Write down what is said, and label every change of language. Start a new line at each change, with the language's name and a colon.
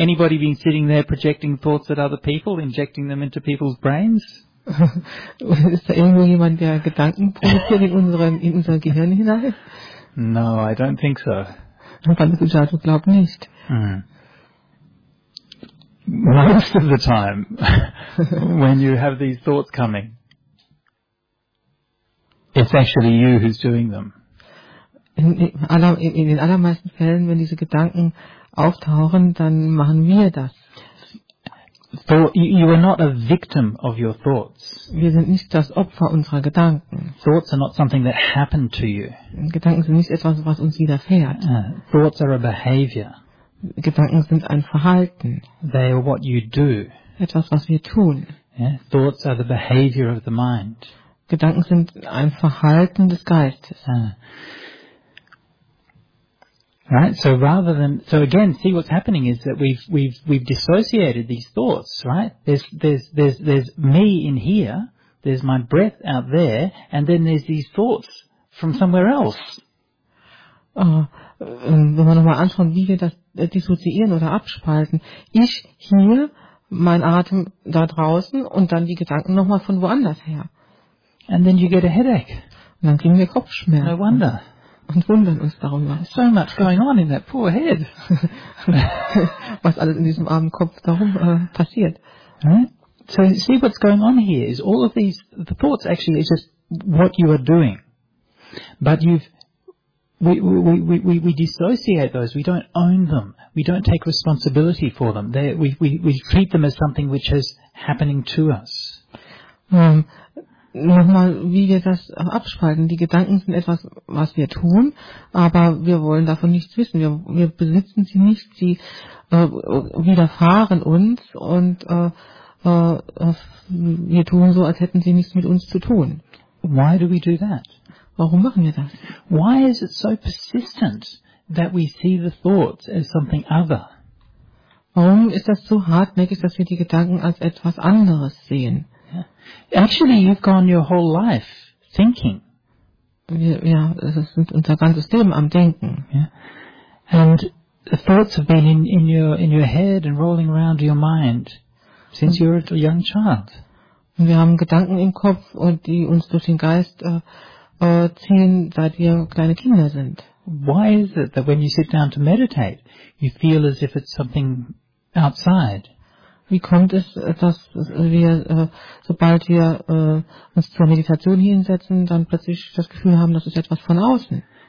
English: Anybody been sitting there projecting thoughts at other people, injecting them into people's brains?
German: Ist da irgendwo jemand, der Gedanken produziert in unser Gehirn hinein?
English: No, I don't think so.
German: Pandesuchatu glaubt nicht.
English: Most of the time, when you have these thoughts coming, it's actually you who's doing them.
German: In den allermeisten Fällen, wenn diese Gedanken auftauchen, dann machen wir das.
English: So you are not a victim of your thoughts.
German: Wir sind nicht das Opfer unserer Gedanken.
English: Thoughts are not something that happened to you.
German: Gedanken sind nicht etwas, was uns widerfährt.
English: Thoughts are a behavior.
German: Gedanken sind ein Verhalten.
English: They are what you do.
German: Etwas, was wir tun.
English: Yeah? Thoughts are the behavior of the mind.
German: Gedanken sind ein Verhalten des Geistes.
English: Right, so rather than, so again, see what's happening is that we've dissociated these thoughts, right? There's me in here, there's my breath out there, and then there's these thoughts from somewhere else.
German: Wenn wir nochmal anschauen, wie wir das dissoziieren oder abspalten. Ich hier, mein Atem da draußen und dann die Gedanken nochmal von woanders her.
English: And then you get a headache.
German: Und dann kriegen wir Kopfschmerzen.
English: No wonder.
German: Und wundern uns darum.
English: There's so much going on in that poor head.
German: Was alles in diesem armen Kopf darum passiert.
English: Right? So you see what's going on here is all of these, the thoughts actually is just what you are doing. But we dissociate those. We don't own them. We don't take responsibility for them. We treat them as something which is happening to us.
German: Nochmal, wie wir das abspalten. Die Gedanken sind etwas, was wir tun, aber wir wollen davon nichts wissen. Wir besitzen sie nicht, sie widerfahren uns und wir tun so, als hätten sie nichts mit uns zu tun.
English: Why do we do that?
German: Warum machen wir das?
English: Why is it so persistent that we see the thoughts as something other?
German: Warum ist das so hartnäckig, dass wir die Gedanken als etwas anderes sehen?
English: Actually, you've gone your whole life thinking.
German: Ja, es ist unser ganzes Leben am Denken.
English: Yeah. And the thoughts have been in your head and rolling around your mind since you were a young child.
German: Und wir haben Gedanken im Kopf, und die uns durch den Geist ziehen, seit wir kleine Kinder sind.
English: Why is it that when you sit down to meditate, you feel as if it's something outside?
German: Wie kommt es, dass wir, sobald wir uns zur Meditation hinsetzen, dann plötzlich das Gefühl haben, dass es etwas von außen?